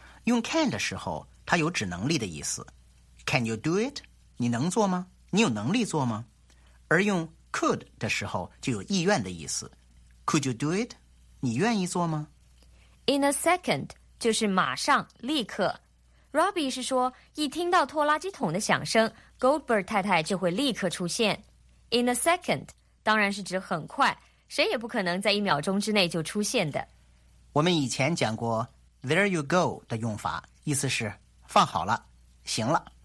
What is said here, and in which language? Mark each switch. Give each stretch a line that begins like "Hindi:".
Chinese: 用 can 的时候，它有指能力的意思。
English: Can you do it？
Chinese: 你能做吗？你有能力做吗？而用 could 的时候，就有意愿的意思。
English: Could you do it?
Chinese: 你愿意做吗？
English: In a second,
Chinese: 就是马上、立刻。 Robbie 是说，一听到拖垃圾桶的响声， Goldberg 太太就会立刻出现。
English: In a second,
Chinese: 当然是指很快，谁也不可能在一秒钟之内就出现的。我们以前讲过
English: there you go
Chinese: 的用法，意思是放好了，行了。